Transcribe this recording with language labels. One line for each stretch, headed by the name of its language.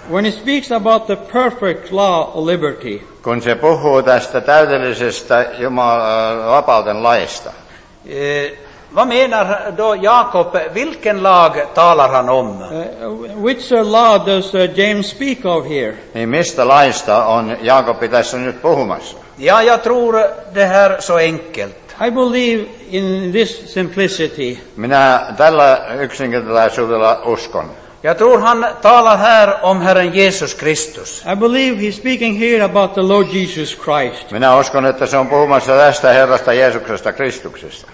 English: When he speaks about the perfect law of liberty.
Finnish: Kun se puhuu tästä täydellisestä vapauden laista.
Swedish: Vad menar då Jakob? Vilken lag talar han om?
English: Which law does James speak of here?
Finnish: Niin mistä laista on Jakobi tässä nyt puhumassa?
Swedish: Ja, jag tror det här så enkelt.
English: I believe in this simplicity.
Finnish: Minä tällä yksinkertaisuudella uskon.
Swedish: Jag tror han talar här om Herren Jesus Kristus.
English: I believe he's speaking here about the Lord Jesus Christ.
Finnish: Minä uskon, että se on puhumassa tästä Herrasta Jeesuksesta Kristuksesta.